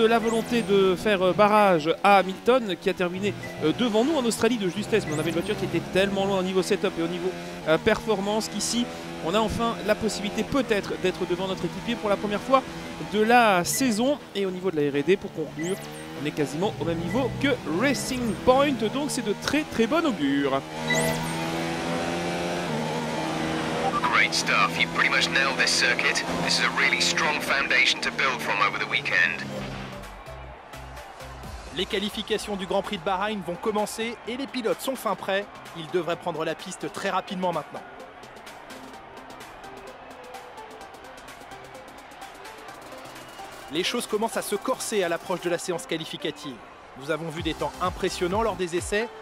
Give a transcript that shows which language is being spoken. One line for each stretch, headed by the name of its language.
French: La volonté de faire barrage à Hamilton qui a terminé devant nous en Australie de justesse, mais on avait une voiture qui était tellement loin au niveau setup et au niveau performance qu'ici on a enfin la possibilité peut-être d'être devant notre équipier pour la première fois de la saison. Et au niveau de la R&D, pour conclure, on est quasiment au même niveau que Racing Point, donc c'est de très très bon augure.
English: Great stuff. You've pretty much nailed this circuit. This is a really strong foundation to build from over the weekend.
French: Les qualifications du Grand Prix de Bahreïn vont commencer et les pilotes sont fin prêts. Ils devraient prendre la piste très rapidement maintenant. Les choses commencent à se corser à l'approche de la séance qualificative. Nous avons vu des temps impressionnants lors des essais.